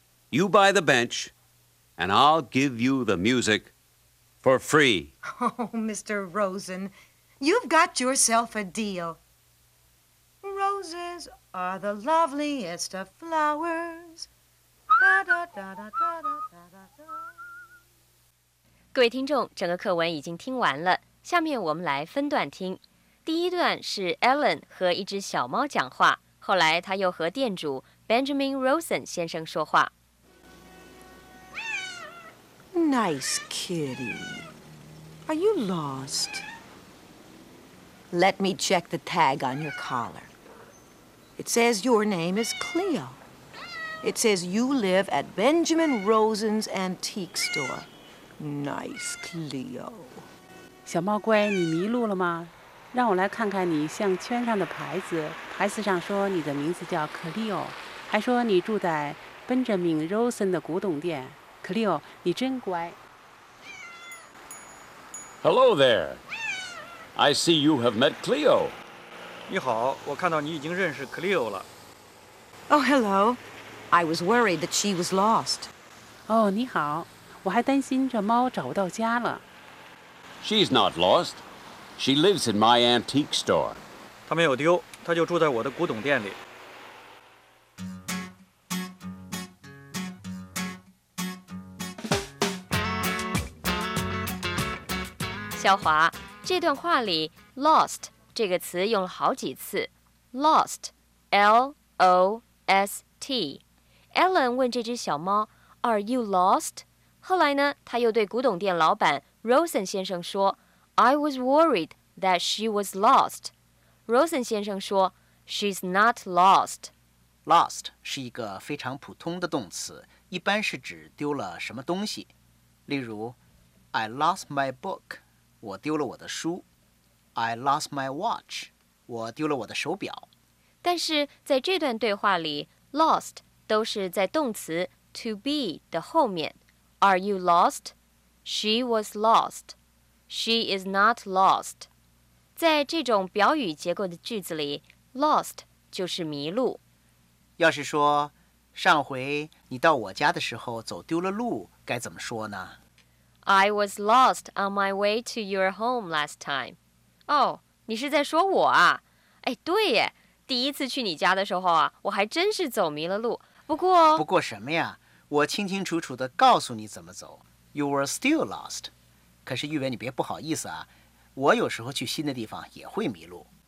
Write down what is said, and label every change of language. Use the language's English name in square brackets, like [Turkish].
[English] You buy the bench, and I'll give you the music for free. Oh, Mr. Rosen, you've got yourself a deal. Roses are the loveliest of flowers. Da, da, da, da, da, da, da, da. [Chinese] 各位听众，整个课文已经听完了，下面我们来分段听。第一段是 Ellen 和一只小猫讲话，后来他又和店主 Benjamin Rosen 先生说话。 [English] Nice kitty. Are you lost? Let me check the tag on your collar. It says your name is Cleo. It says you live at Benjamin Rosen's antique store. Nice Cleo. [Chinese] 小猫乖，你迷路了吗？让我来看看你项圈上的牌子，牌子上说你的名字叫 Cleo， 还说你住在 Benjamin Rosen 的古董店。 Cleo， 你真乖。 [English] Hello there. I see you have met Cleo. [Chinese] 你好，我看到你已经认识 Cleo 了。 [English] Oh, hello. I was worried that she was lost. [Chinese] 哦、 [English] oh, [Chinese] ，你好，我还担心这猫找不到家了。 [English] She's not lost. She lives in my antique store. [Chinese] 她没有丢，她就住在我的古董店里。小华，这段话里 lost 这个词用了好几次。 [English] Lost, L-O-S-T. [Chinese] Ellen 问这只小猫 , [English] Are you lost? [Chinese] 后来呢，她又对古董店老板 Rosen 先生说 , [English] I was worried. That she was lost. [Chinese] Rosen 先生说 [English] She's not lost. [Chinese] Lost 是一个非常普通的动词，一般是指丢了什么东西。 [English] 例如 I lost my book. [Chinese] 我丢了我的书。 [English] I lost my watch. [Chinese] 我丢了我的手表。但是在这段对话里 Lost 都是在动词 [English] To be [Chinese] 的后面。 [English] Are you lost? She was lost. She is not lost. [Chinese] 在这种表语结构的句子里 ,lost 就是迷路。要是说上回你到我家的时候走丢了路该怎么说呢 [English] ?I was lost on my way to your home last time. [Chinese] 哦、 [English] oh, [Chinese] 你是在说我啊哎对耶第一次去你家的时候啊我还真是走迷了路。不过什么呀我清清楚楚地告诉你怎么走。 [English] You were still lost. [Chinese] 可是玉文你别不好意思啊。我有时候去新的地方也会迷路。